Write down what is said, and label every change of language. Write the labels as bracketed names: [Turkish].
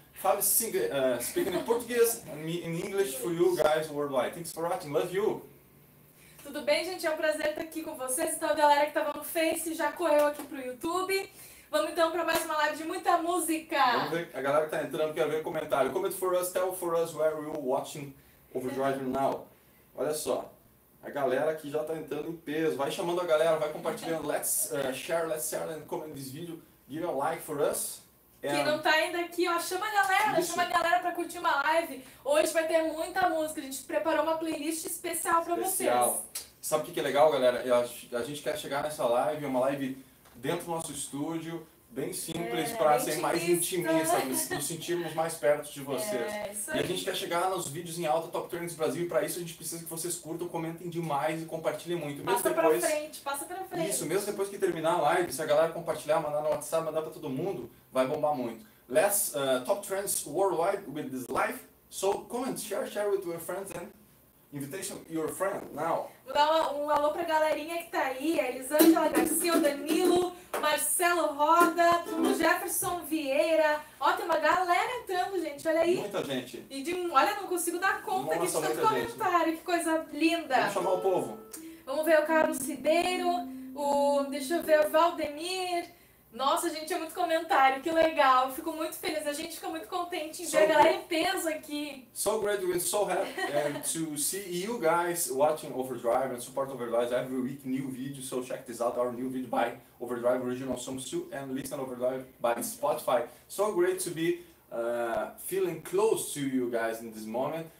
[English] Fala speaking in Portuguese and me in English for you guys worldwide. Thanks for watching, love you. [Portuguese] Tudo bem, gente? É um prazer estar aqui com vocês. Então, a galera que estava no Face já correu aqui pro YouTube. Vamos então para mais uma live de muita música. Vamos ver, a galera que está entrando quer ver comentário. [English] Comment for us, tell for us where you're watching Overdrive now. [Portuguese] Olha só. A galera que já tá entrando em peso, vai chamando a galera, vai compartilhando, [English] let's share and comment this video, give a like for us. [Portuguese] Quem não tá ainda aqui, ó, chama a galera pra curtir uma live. Hoje vai ter muita música, a gente preparou uma playlist especial pra especial. Vocês. Sabe o que é legal, galera? A gente quer chegar nessa live, uma live dentro do nosso estúdio, bem simples, pra bem ser intimista. Mais intimista, nos sentirmos mais perto de vocês. É, e a gente quer chegar nos vídeos em alta, Top Trends Brasil, e pra isso a gente precisa que vocês curtam, comentem demais e compartilhem muito. Passa pra frente. Isso, mesmo depois que terminar a live, se a galera compartilhar, mandar no WhatsApp, mandar pra todo mundo, vai bombar muito. [English] Let's Top Trends Worldwide with this live, so comment, share with your friends and invitation your friend now. [Portuguese] Vou dar um alô pra galerinha que tá aí, a Elisângela Garcia, o Danilo, Marcelo Roda, o Jefferson Vieira. Ó, tem uma galera entrando, gente, olha aí. Muita gente. Olha, não consigo dar conta aqui de tanto comentário, gente. Que coisa linda. Vamos chamar o povo. Vamos ver o Carlos Ribeiro, deixa eu ver, o Valdemir. Nossa, gente, é muito comentário, que legal. Fico muito feliz, a gente fica muito contente em ver a galera em peso aqui. [English] So great, we're so happy and to see you guys watching Overdrive and support Overdrive every week, new video. So check this out, our new video by Overdrive Original Songs 2 and listen Overdrive by Spotify. So great to be feeling close to you guys in this moment.